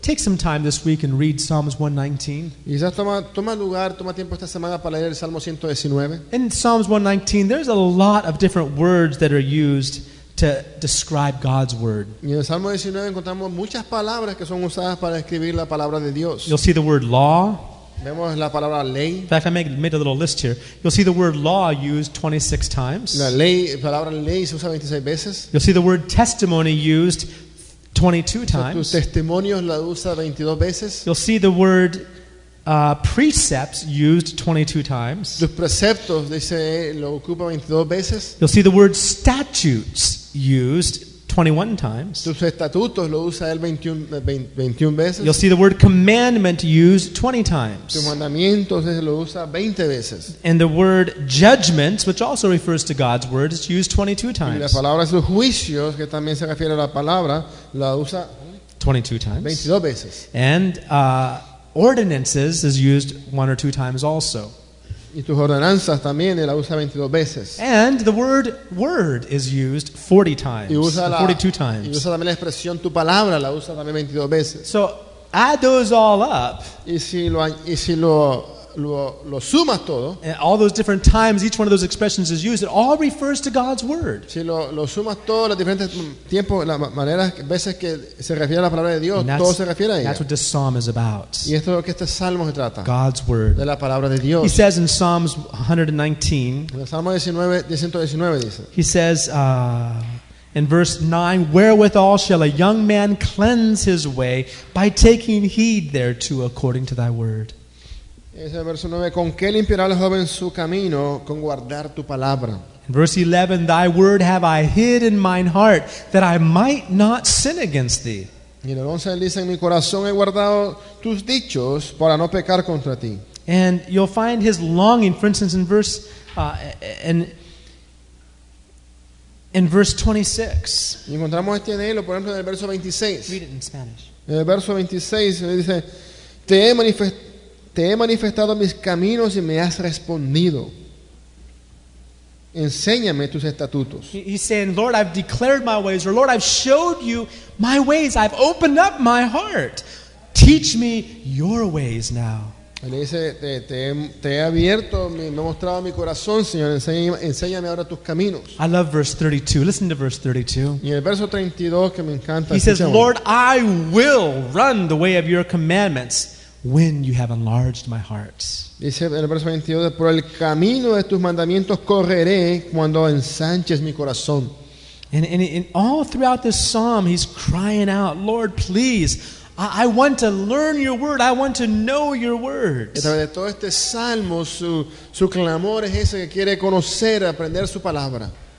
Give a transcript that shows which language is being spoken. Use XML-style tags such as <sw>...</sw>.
<en>Take some time this week and read Psalms 119.</en> <es>Y quizás toma tiempo esta semana para leer el Salmo 119.</es> <en>In Psalms 119, there's a lot of different words that are used to describe God's word.</en> <es>Y en el Salmo 19 encontramos muchas palabras que son usadas para describir la palabra de Dios.</es> <en>You'll see the word law.</en> <es>Vemos la palabra ley.</es> <en>In fact, I made a little list here. You'll see the word law used 26 times.</en> <es>La ley, palabra ley se usa 26 veces.</es> <en>You'll see the word testimony used 22 times.</en> <es>O sea, tu testimonio la usa 22 veces.</es> <en>You'll see the word precepts used 22 times.</en> <es>Los preceptos dice lo ocupa 22 veces.</es> <en>You'll see the word statutes used 21 times.</en> <es>Tus estatutos lo usa él 21 veces.</es> <en>You'll see the word commandment used 20 times.</en> <es>Tus mandamientos lo usa 20 veces.</es> <en>And the word judgments, which also refers to God's word, is used 22 times.</en> <es>Y la palabra es los juicios, que también se refiere a la palabra, la usa</es> <en>22 times.</en> <es>22 veces.</es> <en>And ordinances is used one or two times also.</en> <es>Y tus ordenanzas también, él la usa 22 veces.</es> <en>And the word word is used 40 times,</en> <es>la,</es> <en>42 times.</en> <es>Y usa también la expresión tu palabra, la usa también 22 veces.</es> <en>So add those all up.</en> <es>Y si lo sumas todo.</es> <en>And all those different times each one of those expressions is used, it all refers to God's word.</en> <es>Si lo sumas todo, los diferentes tiempos, las maneras, veces que se refiere a la palabra de Dios, todo se refiere a ella.</es> <en>That's what this psalm is about.</en> <es>Y esto es lo que este salmo se trata.</es> <en>God's word.</en> <es>De la palabra de Dios.</es> <en>He says in Psalms 119.</en> <es>En el Salmo 119 dice.</es> <en>He says in verse 9, wherewithal shall a young man cleanse his way by taking heed thereto according to thy word.</en> <es>Es el verso 9, ¿con qué limpiará el joven su camino? Con guardar tu palabra.</es> <en>Verse 11, thy word have I hid in mine heart, that I might not sin against thee.</en> <es>Y en el 11 dice, en mi corazón he guardado tus dichos para no pecar contra ti.</es> <en>And you'll find his longing, for instance, in verse, in verse 26.</en> <es>Y encontramos este anhelo, por ejemplo, en el verso 26.</es> <en>Read it in Spanish.</en> <es>En el verso 26 dice, Te he manifestado mis caminos y me has respondido. Enséñame tus estatutos.</es> <en>He's saying, Lord, I've declared my ways, or Lord, I've showed you my ways. I've opened up my heart. Teach me your ways now.</en> <es>Él dice, te he abierto, me he mostrado mi corazón, Señor. Enséñame ahora tus caminos.</es> <en>I love verse 32. Listen to verse 32.</en> <es>Y el verso 32 que me encanta.</es> <en>He says, Lord, I will run the way of your commandments. When you have enlarged my heart.</en> <es>Dice en el verso 22, por el camino de tus mandamientos correré cuando ensanches mi corazón.</es> <en>And all throughout this psalm, he's crying out, Lord, please, I want to learn your word. I want to know your word.</en> <es>A través de todo este salmo, su clamor es ese que quiere conocer, aprender su palabra.</es>